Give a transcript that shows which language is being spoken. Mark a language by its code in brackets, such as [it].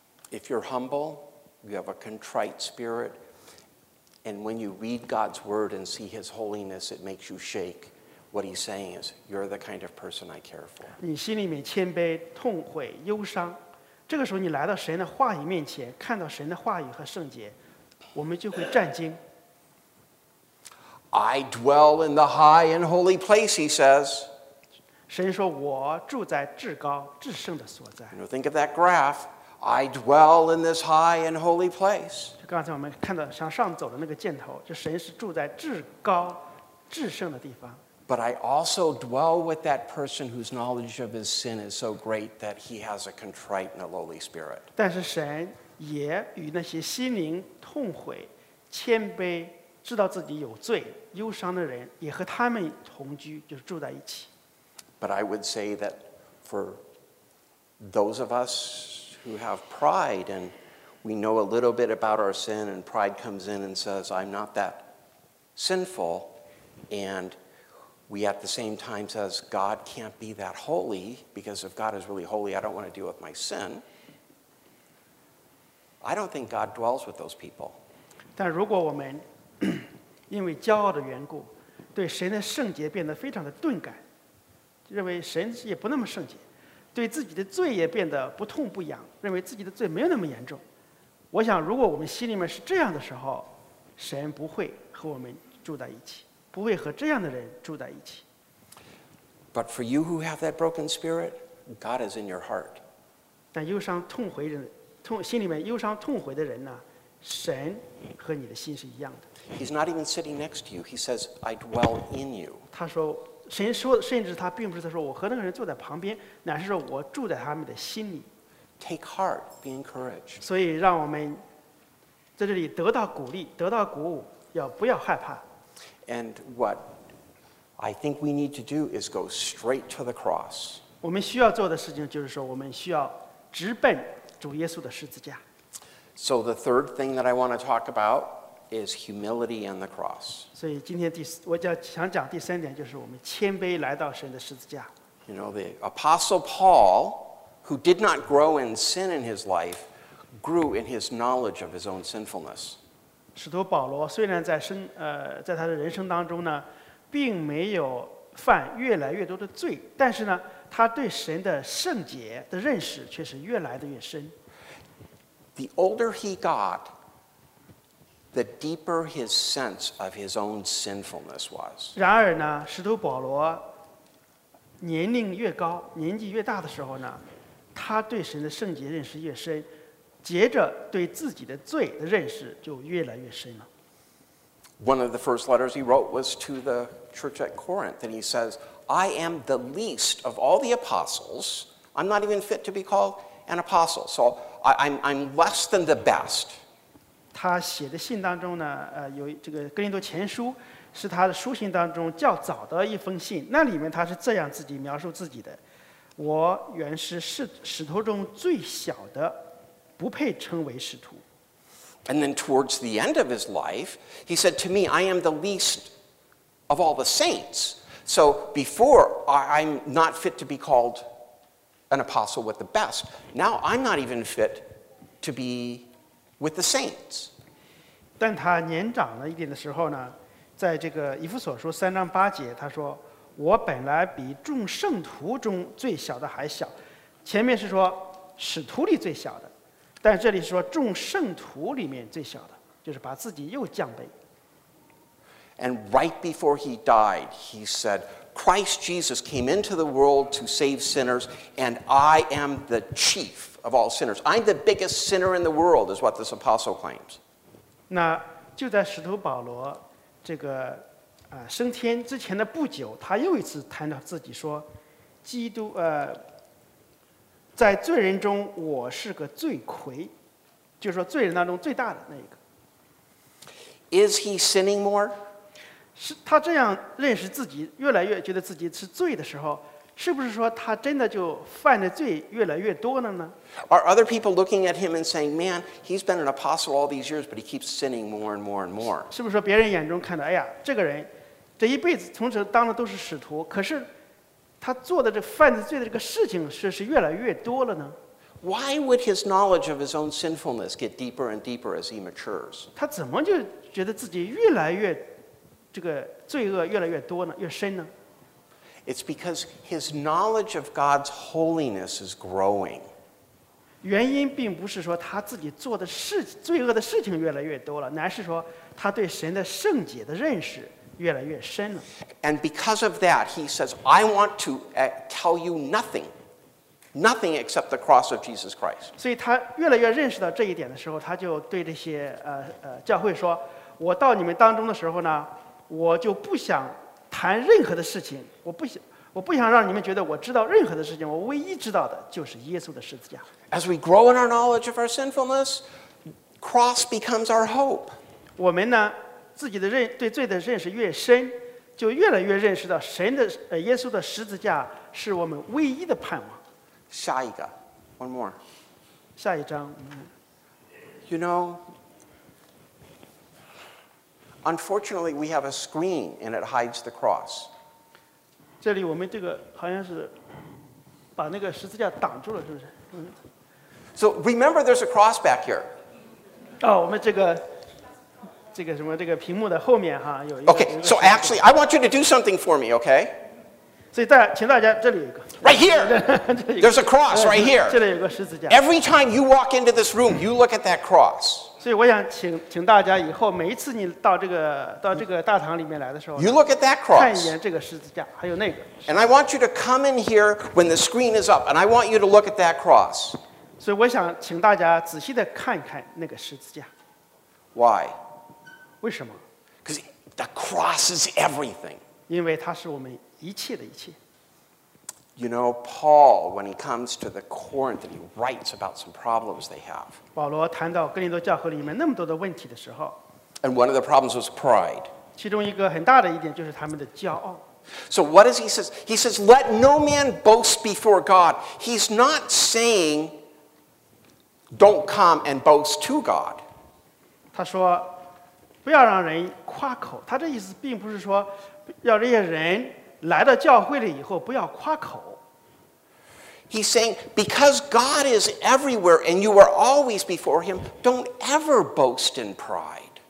[en] If you're humble you have a contrite spirit and when you read God's word and see his holiness it makes you shake what he's saying is you're the kind of person I care for [zh] 你心里面谦卑痛悔忧伤这个时候你来到神的话语面前，看到神的话语和圣洁，我们就会战惊。 [en] I dwell in the high and holy place, he says. [zh] 神说我住在至高至圣的所在。 [en] You know, think of that graph. I dwell in this high and holy place. [zh] 刚才我们看到向上走的那个箭头，就神是住在至高至圣的地方。 [en] But I also dwell with that person whose knowledge of his sin is so great that he has a contrite and a lowly spirit. [zh] 但是神也与那些心灵痛悔、谦卑、知道自己有罪、忧伤的人，也和他们同居，就是住在一起。 [en] But I would say that for those of us who have pride and we know a little bit about our sin, and pride comes in and says, "I'm not that sinful," and we at the same time says, "God can't be that holy because if God is really holy, I don't want to deal with my sin." I don't think God dwells with those people. [zh] 但如果我们因为骄傲的缘故，对神的圣洁变得非常的钝感，认为神也不那么圣洁，对自己的罪也变得不痛不痒，认为自己的罪没有那么严重。我想，如果我们心里面是这样的时候，神不会和我们住在一起，不会和这样的人住在一起。 [en] But for you who have that broken spirit, God is in your heart. [zh] 但忧伤痛悔人，心里面忧伤痛悔的人呢？神和你的心是一样的。 [en] He's not even sitting next to you. He says, "I dwell in you." [zh] 他说，神说，甚至他并不是在说我和那个人坐在旁边，乃是说我住在他们的心里。 [en] Take heart, be encouraged. [zh] 所以让我们在这里得到鼓励，得到鼓舞，要不要害怕 [en] ？And what I think we need to do is go straight to the cross. [zh] 我们需要做的事情就是说，我们需要直奔主耶稣的十字架。 [en] So the third thing that I want to talk about is humility and the cross. [zh] 所以今天我想讲第三点，就是我们谦卑来到神的十字架。 [en] You know, the Apostle Paul, who did not grow in sin in his life, grew in his knowledge of his own sinfulness. [zh] 使徒保罗虽然在他的人生当中呢，并没有犯越来越多的罪，但是呢，他对神的圣洁的认识却是越来的越深。 [en] The older he got, the deeper his sense of his own sinfulness was. [zh] 然而呢，使徒保罗年龄越高，年纪越大的时候呢，他对神的圣洁认识越深，接着对自己的罪的认识就越来越深了。 [en] One of the first letters he wrote was to the church at Corinth, and he says, "I am the least of all the apostles. I'm not even fit to be called an apostle." So I'm less than the best. [zh] 他写的信当中呢，有这个哥林多前书，是他的书信当中较早的一封信。那里面他是这样自己描述自己的：我原是使徒中最小的，不配称为使徒。 [en] And then towards the end of his life, he said to me, "I am the least of all the saints." So before, I'm not fit to be called an apostle with the best. Now I'm not even fit to be with the saints. [zh] 但他年长了一点的时候呢，在这个以弗所书三章八节，他说：“我本来比众圣徒中最小的还小。” 前面是说使徒里最小的，但这里是说众圣徒里面最小的，就是把自己又降卑。 [en] And right before he died, he said, "Christ Jesus came into the world to save sinners, and I am the chief of all sinners. I'm the biggest sinner in the world," is what this apostle claims. [zh] 那就在使徒保罗这个升天之前的不久，他又一次谈到自己说，基督在罪人中我是个罪魁，就是说罪人当中最大的那一个。 [en] Is he sinning more? [zh] 是他这样认识自己，越来越觉得自己是罪的时候，是不是说他真的就犯的罪越来越多了呢 [en] ？Are other people looking at him and saying, "Man, he's been an apostle all these years, but he keeps sinning more and more and more"? [zh] 是不是说别人眼中看到，哎呀，这个人这一辈子从此当的都是使徒，可是他做的这犯的罪的这个事情是越来越多了呢 [en] ？Why would his knowledge of his own sinfulness get deeper and deeper as he matures？ [zh] 他怎么就觉得自己越来越这个罪恶越来越多呢，越深呢 [en] ？It's because his knowledge of God's holiness is growing. [zh] 原因并不是说他自己做的事罪恶的事情越来越多了，乃是说他对神的圣洁的认识越来越深了。 [en] And because of that, he says, I want to tell you nothing, nothing except the cross of Jesus Christ. [zh] 所以他越来越认识到这一点的时候，他就对这些教会说，我到你们当中的时候呢，我就不想谈任何的事情，我不想让你们觉得我知道任何的事情，我唯一知道的就是耶稣的十字架。 [en] As we grow in our knowledge of our sinfulness, cross becomes our hope. [zh] 我们呢，自己的认对罪的认识越深，就越来越认识到神的耶稣的十字架是我们唯一的盼望。下一个 ， [en] one more。 [zh] 下一章。 [en] You know, unfortunately, we have a screen and it hides the cross. [zh] 这里我们这个好像是把那个十字架挡住了，是不是？ [en] So remember, there's a cross back here. [zh] 哦，我们这个什么这个屏幕的后面哈有一个。 [en] Okay, so actually, I want you to do something for me, okay? [zh] 所以大家，请大家这里有一个。 [en] Right here. There's a cross right here. [zh] 这里有个十字架。 [en] Every time you walk into this room, you look at that cross. [zh] 所以我想请大家以后每一次你到这个大堂里面来的时候， [en] you look at that cross. [zh] 看一眼这个十字架，还有那个。 [en] And I want you to come in here when the screen is up, and I want you to look at that cross. [zh] 所以我想请大家仔细的看一看那个十字架。 [en] Why? [zh] 为什么？ [en] Because the cross is everything. [zh] 因为它是我们一切的一切。 [en] You know, Paul, when he comes to the Corinth, he writes about some problems they have. [zh] 保罗谈到哥林多教会里面那么多的问题的时候， [en] And one of the problems was pride. [zh] 其中一个很大的一点就是他们的骄傲。 [en] So what does he say? He says, let no man boast before God. He's not saying, don't come and boast to God. [zh] 他说，不要让人夸口。他这意思并不是说要这些人来到教会了以后不要夸口。 [en] He's saying, because God is everywhere and you are always before him, don't ever boast in pride.